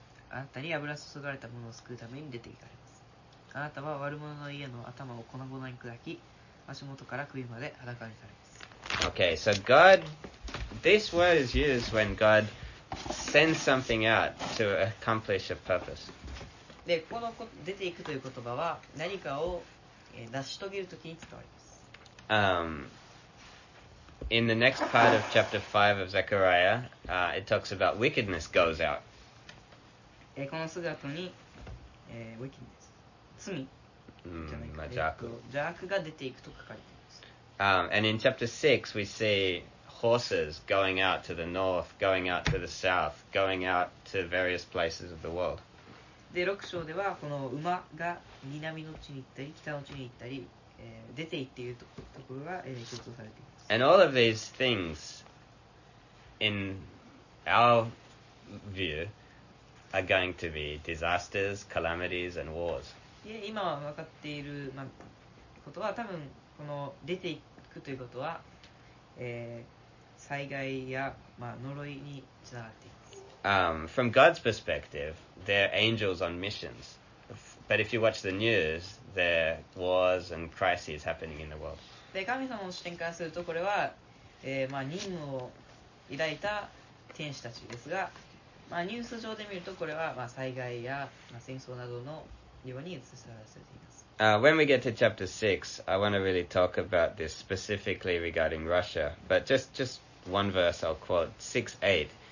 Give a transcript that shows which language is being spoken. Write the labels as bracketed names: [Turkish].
[Japanese] あなたに油注がれたものを救うために出ていかれます。あなたは悪者の家の頭を粉々に砕き、足元から首まで裸にされます。 [English] Okay, so God, this word is used when God sends something out to accomplish a purpose. [Japanese] で、この出ていくという言葉は何かを成し遂げるときに使われます。 [English] In the next part of chapter 5 of Zechariah, it talks about wickedness goes out. [Japanese] この姿に、wickedness、罪じゃないか、邪悪が出ていくと書かれています。 [English] And in chapter 6, we see horses going out to the north, going out to the south, going out to various places of the world. [Japanese] で、6章ではこの馬が南の地に行ったり、北の地に行ったり、出て行っているところが強調されています。 [English] And all of these things, in our view, are going to be disasters, calamities, and wars. [Japanese] Yeah, 今は分かっていることは、多分この出ていくということは、災害や、呪いにつながっています。 [English] From God's perspective, they're angels on missions. But if you watch the news, there are wars and crises happening in the world. [Japanese] で、神様の視点からするとこれは、任務を抱いた天使たちですが、ニュース上で見るとこれは、災害や、戦争などのように映し出されています。 [English] When we get to chapter 6, I want to really talk about this specifically regarding Russia. But just one verse I'll quote, 6:8.